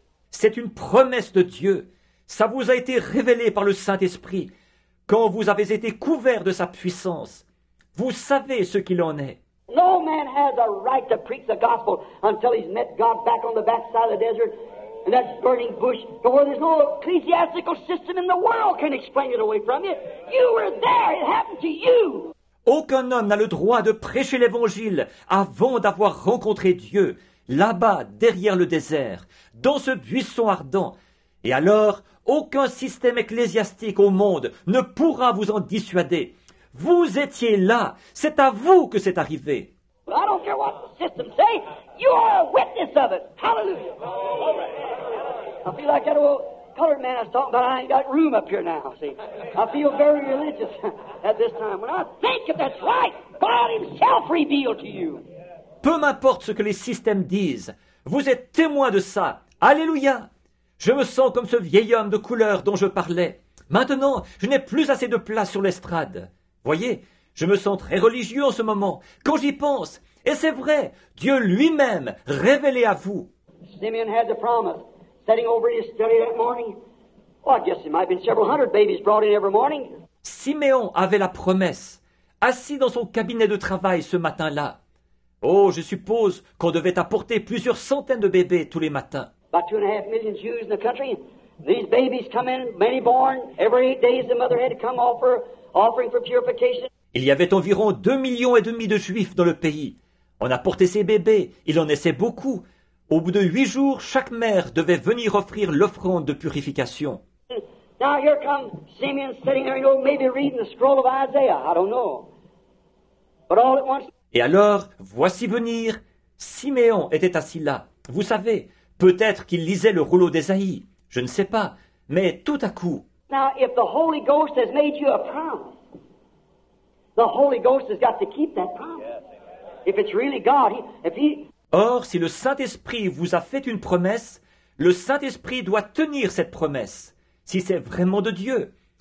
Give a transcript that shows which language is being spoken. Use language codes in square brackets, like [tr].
[fr] C'est une promesse de Dieu. Ça vous a été révélé par le Saint-Esprit. Quand vous avez été couvert de sa puissance, vous savez ce qu'il en est. [en] No man has a right to preach the gospel until he's met God back on the backside of the desert and that burning bush to where there's no ecclesiastical system in the world can explain it away from you. You were there. It happened to you. [fr] Aucun homme n'a le droit de prêcher l'évangile avant d'avoir rencontré Dieu, là-bas, derrière le désert, dans ce buisson ardent. Et alors, aucun système ecclésiastique au monde ne pourra vous en dissuader. Vous étiez là. C'est à vous que c'est arrivé. [en] Well, I don't care what the system say. You are a witness of it. Hallelujah. I feel like that old colored man I was talking about. I ain't got room up here now, see. I feel very religious at this time. When I think if that's right, God himself revealed to you. [fr] Peu m'importe ce que les systèmes disent. Vous êtes témoin de ça. Alléluia. Je me sens comme ce vieil homme de couleur dont je parlais. Maintenant, je n'ai plus assez de place sur l'estrade. Voyez, je me sens très religieux en ce moment, quand j'y pense. Et c'est vrai, Dieu lui-même révélé à vous. [en] Simeon had the promise, sitting over his study that morning. Oh, I guess it might have been several hundred babies brought in every morning. [fr] Simeon avait la promesse, assis dans son cabinet de travail ce matin-là. Oh, je suppose qu'on devait apporter plusieurs centaines de bébés tous les matins. [en] About 2.5 million Jews in the country. These babies come in, many born. Every 8 days, the mother had to come offer offering for purification. [fr] Il y avait environ 2.5 millions de Juifs dans le pays. On apportait ces bébés. Il en naissait beaucoup. Au bout de 8 jours, chaque mère devait venir offrir l'offrande de purification. [en] Now here comes Simeon sitting there, you know, maybe reading the scroll of Isaiah. I don't know. But all at once. [fr] Et alors, voici venir Simeon était assis là. Vous savez. Peut-être qu'il lisait le rouleau d'Ésaïe, je ne sais pas, mais tout à coup. [en] Now, if the Holy Ghost has made you a promise, the Holy Ghost has got to keep that promise. If it's really God, [fr] Or, si le Saint-Esprit vous a fait une promesse, le Saint-Esprit doit tenir cette promesse. Si c'est vraiment de Dieu,